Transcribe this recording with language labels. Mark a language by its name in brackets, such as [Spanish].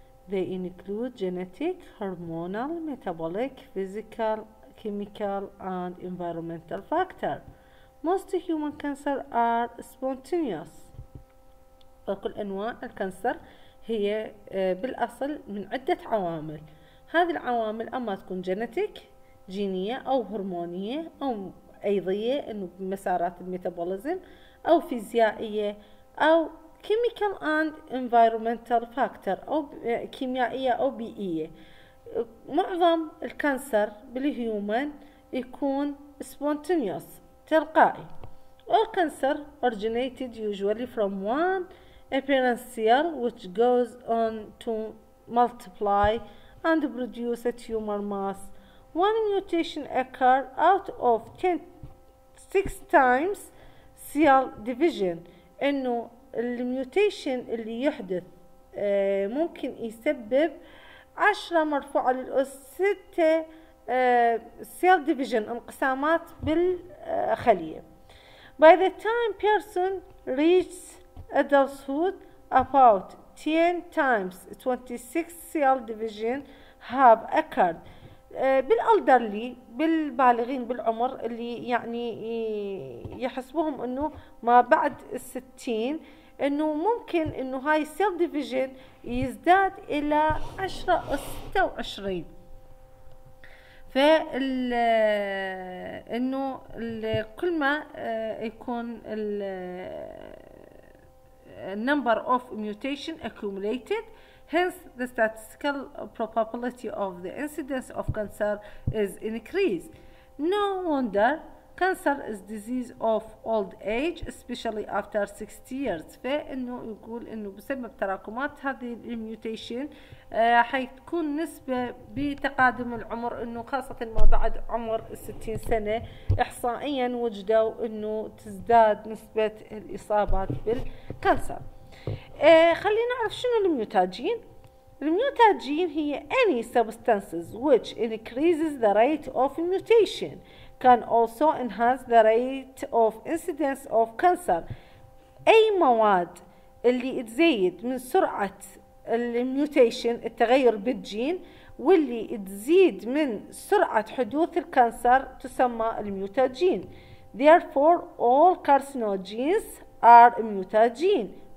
[English] They include genetic, hormonal, metabolic, physical, chemical, and environmental factor. Most human cancer are spontaneous. [Arabic] فكل أنواع الكانسر هي بالأصل من عدة عوامل. هذه العوامل أما تكون جينيتيك جينية أو هرمونية أو أيضية إنه بمسارات الميتابوليزم أو فيزيائية أو [English] chemical and environmental factor [Arabic] أو كيميائية أو بيئية. معظم الكانسر بالهيومن يكون spontaneous تلقائي. [English] All cancer originated usually from one apparent cell which goes on to multiply and produce a tumor mass. One mutation occurs out of 6 times cell division. [Arabic] إنه الميوتيشن اللي يحدث ممكن يسبب 10 مرفوعة للأس 6 cell division انقسامات بالخلية. [English] By the time person reaches adulthood, about 10 times 26 cell division have occurred. [Arabic] بالألدرلي بالبالغين بالعمر اللي يعني يحسبوهم انه ما بعد الستين انه ممكن انه هاي السيل ديفيجن يزداد الى 10 أو 26. فال انه كل ما يكون [English] النمبر of mutation accumulated, hence the statistical probability of the incidence of cancer is increased. No wonder cancer is disease of old age, especially after 60 years. [Arabic] فإنه يقول إنه بسبب تراكمات هذه الميوتيشن حيكون نسبة بتقادم العمر إنه خاصة ما بعد عمر 60 سنة إحصائيا وجدوا إنه تزداد نسبة الإصابات بالكانسر. خلينا نعرف شنو الميوتاجين. [English] الميوتاجين هي any substances which increases the rate of mutation can also enhance the rate of incidence of cancer. [Arabic] أي مواد اللي تزيد من سرعة الميوتيشن التغير بالجين واللي تزيد من سرعة حدوث الكانسر تسمى الميوتاجين. [English] Therefore all carcinogens are mutagen.